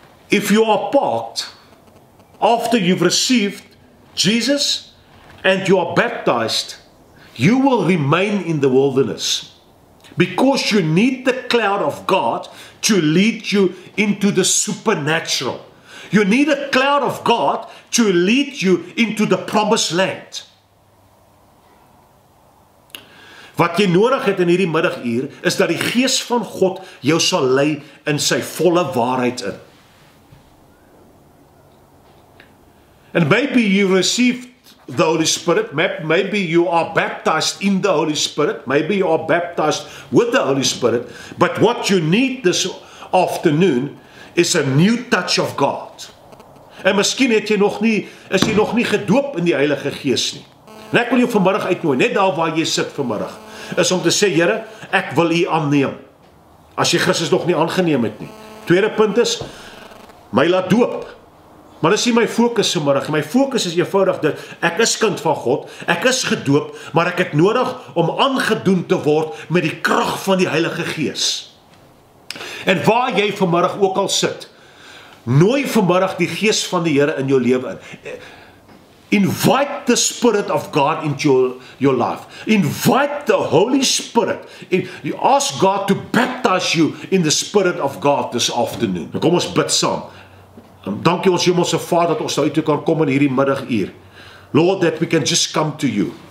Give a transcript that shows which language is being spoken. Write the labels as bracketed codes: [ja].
[en] If you are parked after you've received Jesus and you are baptized, you will remain in the wilderness because you need the cloud of God to lead you into the supernatural. You need a cloud of God to lead you into the promised land. [af] Wat jy nodig het in hierdie middaguur is dat die Gees van God jou sal lei in sy volle waarheid in. [en] And maybe you received the Holy Spirit, maybe you are baptized in the Holy Spirit, maybe you are baptized with the Holy Spirit, but what you need this afternoon is a new touch of God. [af] En miskien het jy nog nie, is jy nog nie gedoop in die Heilige Gees nie. En ek wil jou vanmiddag uitnooi, net daar waar jy sit vanmiddag, is om te sê, Here, ek wil u aanneem, as jy Christus nog nie aangeneem het nie. Tweede punt is, my laat doop. Maar dis nie my fokus vanmiddag. My fokus is eenvoudig dat ek is kind van God, ek is gedoop, maar ek het nodig om aangedoen te word met die krag van die Heilige Gees. En waar jy vanmiddag ook al sit, nooi vanmiddag die Gees van die Here in jou lewe in. [en] Invite the Spirit of God into your life. Invite the Holy Spirit. You ask God to baptize you in the Spirit of God this afternoon. [af] Kom ons bid saam. Dankie ons Hemelse Vader dat ons nou toe kan kom in hierdie middaguur. [en] Lord, that we can just come to you.